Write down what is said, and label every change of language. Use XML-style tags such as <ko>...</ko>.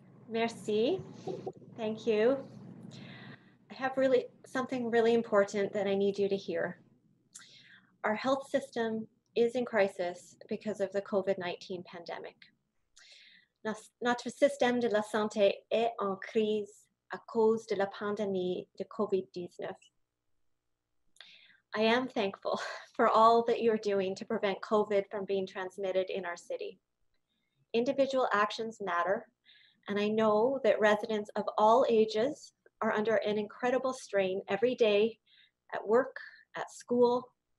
<en>Merci. Thank you. I have something really important that I need you to hear. Our health system is in crisis because of the COVID-19 pandemic.</en> <fr>Notre système de la santé est en crise à cause de la pandémie de COVID-19.</fr> <en>I am thankful for all that you're doing to prevent COVID from being transmitted in our city. Individual actions matter. And I know that residents of all ages are under an incredible strain every day at work, at school.</en>